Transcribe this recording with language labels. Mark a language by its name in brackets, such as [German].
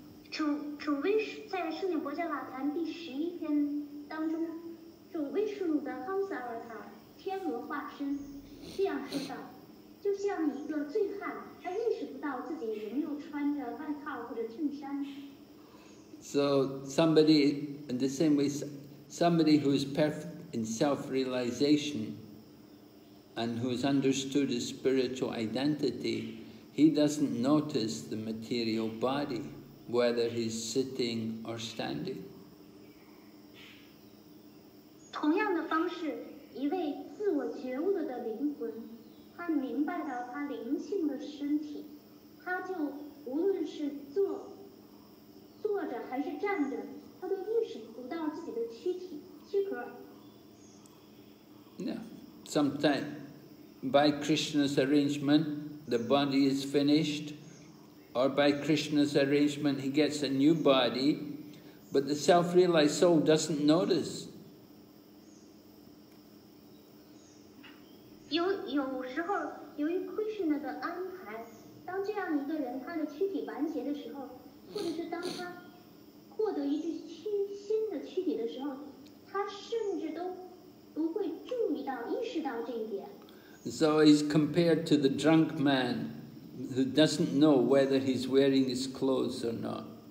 [Chinese] 主威在《释迦牟尼佛坛》第十一篇当中，主威士鲁的哈姆萨尔塔天鹅化身这样说道：“就像一个醉汉，他意识不到自己仍旧穿着外套或者衬衫。” [English] So somebody, in the same way, somebody who is perfect in self-realization and who has understood his spiritual identity, he doesn't notice the material body. Whether he's sitting or standing. [Chinese] 同样的方式，一位自我觉悟的灵魂，他明白了他灵性的身体，他就无论是坐着还是站着，他都意识不到自己的躯壳。 [English] Yeah, sometimes by Krishna's arrangement, the body is finished. Or by Krishna's arrangement, he gets a new body, but the self-realized soul doesn't notice. [Chinese] 有时候，由于 Krishna 的安排，当这样一个人他的躯体完结的时候，或者是当他获得一具新的躯体的时候，他甚至都不会注意到、意识到这一点。 [English] So he's compared to the drunk man. Who doesn't know whether he's wearing his clothes or not.